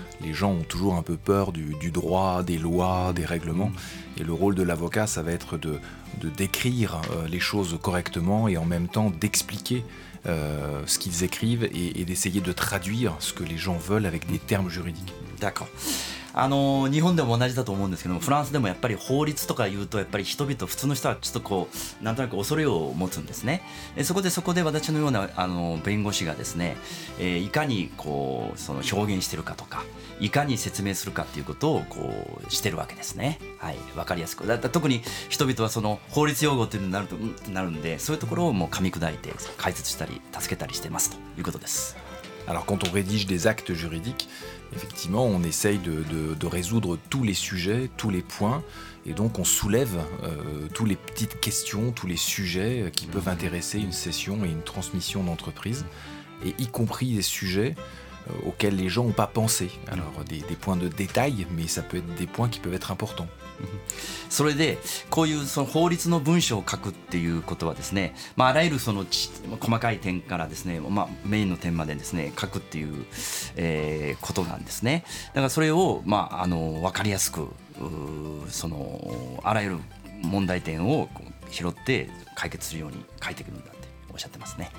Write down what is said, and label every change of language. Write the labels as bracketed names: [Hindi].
[French] Les gens ont toujours un peu peur du droit, des lois, des règlements. Et le rôle de l'avocat, ça va être de décrire les choses correctement et en même temps d'expliquer ce qu'ils écrivent et d'essayer de traduire ce que les gens veulent avec des termes juridiques. D'accord. [Japanese] 日本でも同じだと思うんですけども、フランスでもやっぱり法律とか言うとやっぱり人々普通の人はちょっとこうなんとなく恐れを持つんですね。そこで私のような弁護士がですね、いかにこうその表現してるかとかいかに説明するかっていうことをこうしてるわけですね。はい、わかりやすく。特に人々はその法律用語っていうのになるとうんってなるんで、そういうところをもう噛み砕いて解説したり助けたりしてますということです。 [French] Alors quand on rédige des actes juridiques, effectivement, on essaye de résoudre tous les sujets, tous les points, et donc on soulève tous les petites questions, tous les sujets qui peuvent intéresser une cession et une transmission d'entreprise, et y compris des sujets auxquels les gens n'ont pas pensé. Alors des points de détail, mais ça peut être des points qui peuvent être importants. [Japanese] それでこういうその法律の文章を書くっていうことはですね、まあ、あらゆるその細かい点からですね、まあ、メインの点までですね書くっていう、ことなんですね。だからそれを、まあ、分かりやすくそのあらゆる問題点を拾って解決するように書いていくんだっておっしゃってますね。